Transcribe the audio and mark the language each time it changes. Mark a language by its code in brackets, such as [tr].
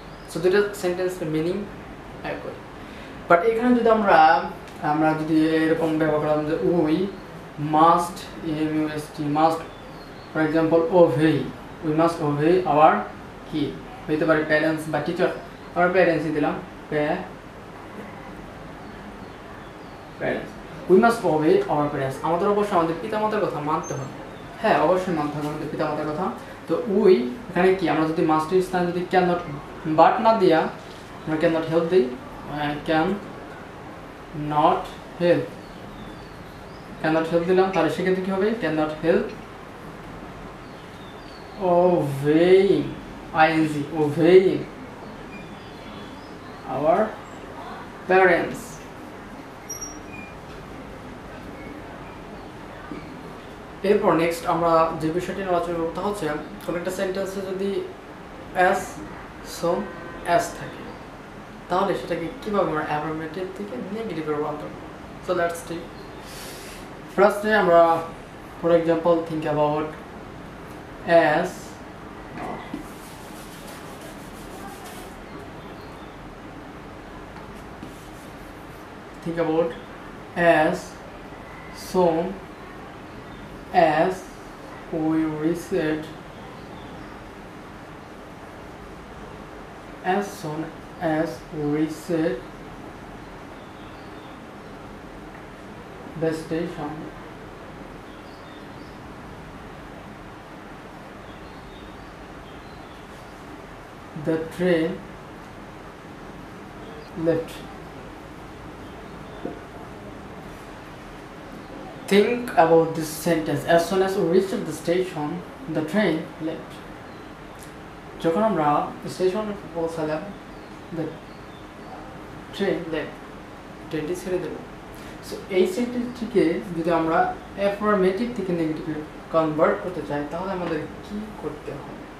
[bn] So দুটো সেন্টেন্সের meaning একই, বাট এখানে যদি আমরা আমরা যদি এরকম ব্যবহার করলাম যে we must এমইউএসটি must for example ওভেই, we must ওভেই hour কি হইতে পারে প্যারেন্টস বা টিচার, আমার প্যারেন্টসই দিলাম parents, [en] we must obey our parents, [bn] আমাদের অবশ্যই আমাদের পিতা মাতার কথা মানতে হবে। হ্যাঁ অবশ্যই মানতে হবে আমাদের পিতা মাতার কথা। তো উই এখানে কি আমরা যদি মাস্টের স্থানে যদি ক্যান নট বাট না দিয়া আমরা [en] can not help [bn] দিই, can not help, can not help দিলাম তাহলে সেক্ষেত্রে কী হবে? [en] Can not help obeying, ing, obeying our parents. [bn] এরপর নেক্সট আমরা যে বিষয়টি আলোচনা করব তা হচ্ছে কোনো একটা সেন্টেন্সে যদি as, some, as থাকে তাহলে সেটাকে কীভাবে আমরা অ্যাফার্মেটিভ থেকে নেগেটিভের রূপান্তর। সো দ্যাটস ঠিক, ফার্স্টে আমরা for example [en] Think about as think about as soon as we reset as soon as we reset the station the train left. Think about this sentence, as soon as we reached the station the train left. [bn] যখন আমরা station পৌঁছালাম [en] the train left, [bn] ট্রেনটি ছেড়ে দেব। So এই সেন্টেন্সটিকে যদি আমরা affirmative থেকে নেগেটিভে convert করতে চাই তাহলে আমাদের কী করতে হবে?